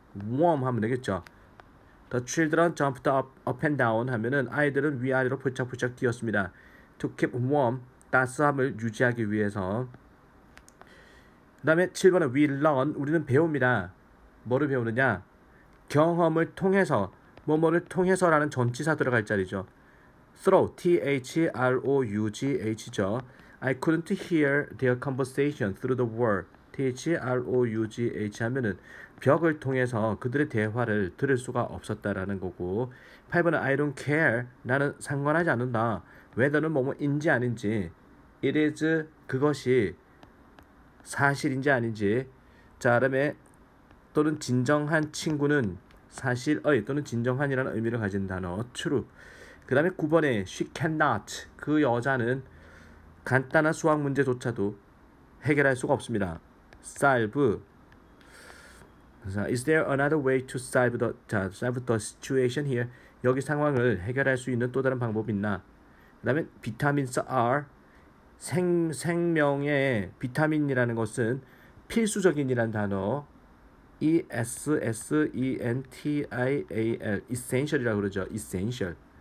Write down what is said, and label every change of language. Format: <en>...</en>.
<ko>warm 하면 되겠죠.</ko> <en>The children jumped up and down</en> <ko>하면은 아이들은 위아래로 펄쩍펄쩍 뛰었습니다.</ko> <en>To keep warm,</en> <ko>따스함을 유지하기 위해서. 그 다음에 7번은</ko> <en>we learn,</en> <ko>우리는 배웁니다. 뭐를 배우느냐? 경험을 통해서, 뭐뭐를 통해서라는 전치사 들어갈 자리죠.</ko> <en>Through, THROUGH죠. I couldn't hear their conversation through the wall.</en> <ko>THROUGH 하면은 벽을 통해서 그들의 대화를 들을 수가 없었다라는 거고, 8번은</ko> <en>I don't care,</en> <ko>나는 상관하지 않는다. Whether는 뭐뭐인지 아닌지, it is 그것이 사실인지 아닌지. 자, 그다음에 또는 진정한 친구는 사실의 또는 진정한이라는 의미를 가진 단어 true. 그다음에 9번에</ko> <en>she cannot,</en> <ko>그 여자는 간단한 수학 문제조차도 해결할 수가 없습니다. Solve.</ko> <en>Is there another way to solve the situation here?</en> <ko>여기 상황을 해결할 수 있는 또 다른 방법이 있나? 그다음에 비타민스 R. 생명의 비타민이라는 것은 필수적인이라는 단어. ESSENTIAL. Essential이라고 그러죠. Essential.</ko>